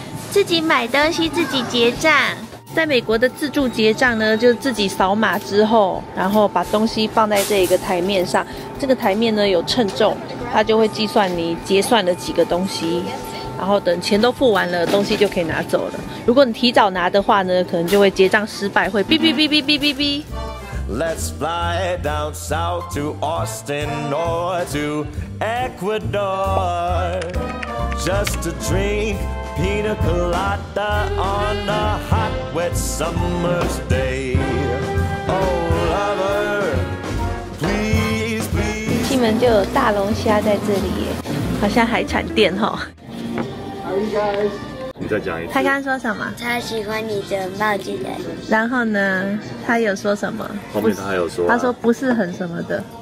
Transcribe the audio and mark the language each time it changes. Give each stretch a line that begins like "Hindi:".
Chinese: 自己买东西自己结账，在美国的自助结账呢，就自己扫码之后，然后把东西放在这一个台面上，这个台面呢有称重，它就会计算你结算了几个东西，然后等钱都付完了，东西就可以拿走了。如果你提早拿的话呢，可能就会结账失败，会哔哔哔哔哔哔哔。
English: Let's fly down south to Austin or to Ecuador just to drink pina colada on a hot, wet summer's day. Oh, lover, please, please.
Chinese: 西门就有大龙虾在这里耶，好像海产店哈。
English: Hi, guys.
Chinese: 你再讲一次，他刚刚说什么？他喜欢你的帽子的。然后呢？他有说什么？后面他还有说、啊，他说不是很什么的，